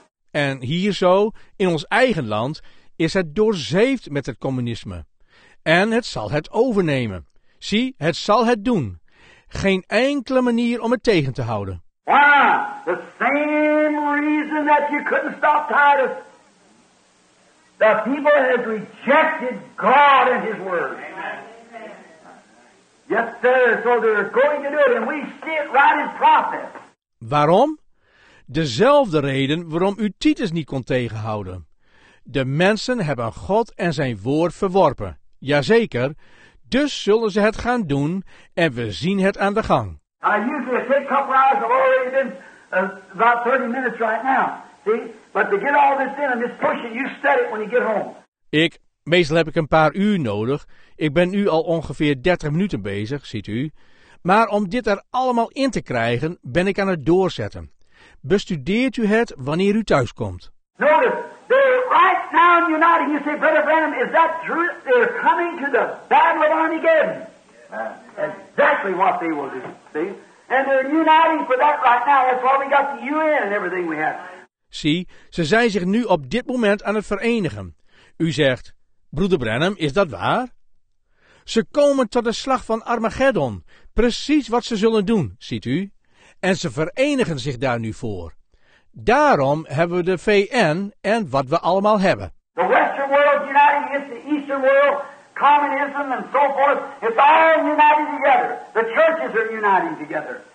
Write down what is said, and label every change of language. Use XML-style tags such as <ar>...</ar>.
<nl>En hier zo, in ons eigen land, is het doorzeefd met het communisme. En het zal het overnemen. Zie, het zal het doen. Geen enkele manier om het tegen te houden.</nl> <en>Why? The same reason that you couldn't stop Titus. The people have rejected God and his word. Amen. Yes, sir. So they're going to do it. And we see it right in process.</en> <nl>Waarom? Dezelfde reden waarom u Titus niet kon tegenhouden. De mensen hebben God en zijn woord verworpen. Jazeker, dus zullen ze het gaan doen en we zien het aan de gang.</nl> <en>I usually take a couple hours, I've already been about 30 minutes right now. See? But to get all this in, I'm just pushing you, study it when you get home.</en> <nl>Meestal heb ik een paar uur nodig. Ik ben nu al ongeveer 30 minuten bezig, ziet u. Maar om dit er allemaal in te krijgen, ben ik aan het doorzetten. Bestudeert u het wanneer u thuiskomt.</nl> <en>Notice, they're right now in uniting. You say, Brother Branham, is that true? They're coming to the battle of Armageddon. Exactly what they will do, see? And they're uniting for that right now. That's why we got the UN and everything we have.</en> <nl>Zie, ze zijn zich nu op dit moment aan het verenigen. U zegt, Broeder Branham, is dat waar? Ze komen tot de slag van Armageddon. Precies wat ze zullen doen, ziet u. En ze verenigen zich daar nu voor. Daarom hebben we de VN en wat we allemaal hebben.</nl> <en>The Western world uniting against the Eastern world, communism and so forth. It's all uniting together. The churches are uniting together.</en>